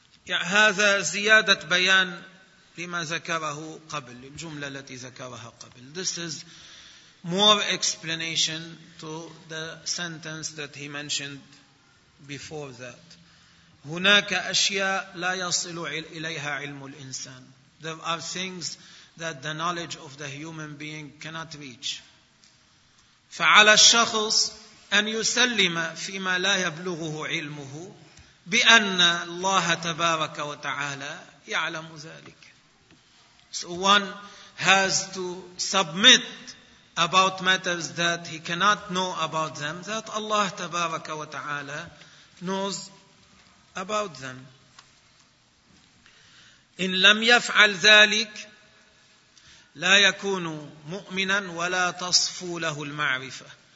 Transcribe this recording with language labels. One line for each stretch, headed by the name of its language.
Arabic: هذا زيادة بيان لما ذكره قبل, الجملة التي ذكرها قبل.
English: This is more explanation to the sentence that he mentioned before that.
Arabic: هناك أشياء لا يصل إليها علم الإنسان.
English: There are things that the knowledge of the human being cannot reach.
Arabic: فعلى الشخص أن يسلم فيما لا يبلغه علمه بأن الله تبارك وتعالى يعلم ذلك.
English: So one has to submit about matters that he cannot know about them, that Allah
Arabic: تبارك وتعالى
English: knows about them.
Arabic: إن لم يفعل ذلك لا يكون مؤمنا ولا تصفو له المعرفة.